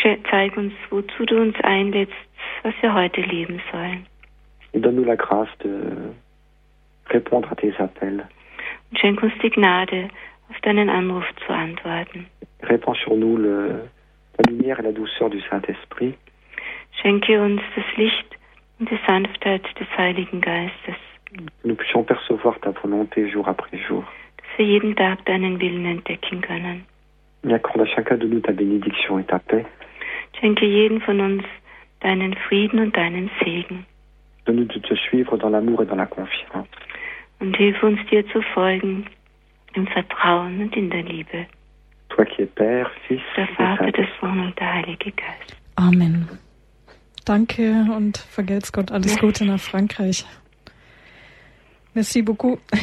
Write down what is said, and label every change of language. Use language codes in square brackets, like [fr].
[de] Zeig uns, wozu du uns einlädst, was wir heute leben sollen. [fr] Et donne-nous la grâce de répondre à tes appels. [de] Und schenk uns die Gnade, auf deinen Anruf zu antworten. [fr] Répand sur nous la lumière et la douceur du Saint-Esprit. [de] Schenke uns das Licht und die Sanftheit des Heiligen Geistes. [fr] Nous puissions percevoir ta volonté jour après jour. [de] Dass wir jeden Tag deinen Willen entdecken können. [fr] Et accorde à chacun de nous ta bénédiction et ta paix. [de] Schenke jeden von uns deinen Frieden und deinen Segen. [fr] Donne-nous de te suivre dans l'amour et dans la confiance. [de] Und hilf uns dir zu folgen im Vertrauen und in der Liebe. [fr] Toi qui es Père, Fils, [de] der Vater, des Sohn und der Heilige Geist. Amen. Danke und vergelt's Gott. Alles Gute nach Frankreich. [fr] Merci beaucoup.